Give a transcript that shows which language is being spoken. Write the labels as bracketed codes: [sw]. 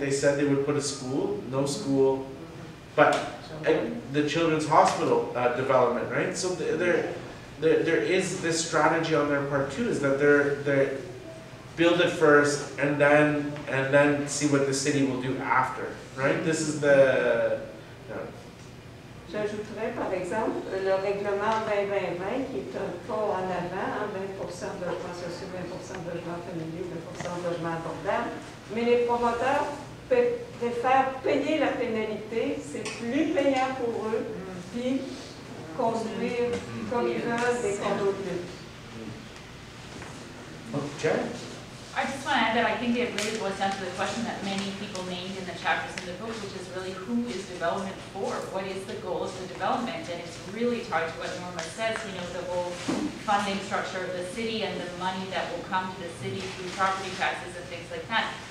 [en] They said they would put a school, no school, but the Children's Hospital development, right? So there is this strategy on their part too, is that they're build it first, and then see what the city will do after, right? This is the, [fr] J'ajouterais, par exemple, le règlement 2020, qui est un pas en avant, 20% de logements sociaux, 20% de logements familiaux, 20% de logements abordables, mais les promoteurs préfèrent payer la pénalité, c'est plus payant pour eux, puis construire comme ils veulent des condos de luxe. [en] OK. I just want to add that I think it really boils down to the question that many people named in the chapters in the book, which is really, who is development for? What is the goal of the development? And it's really tied to what Norma says, you know, the whole funding structure of the city and the money that will come to the city through property taxes and things like that.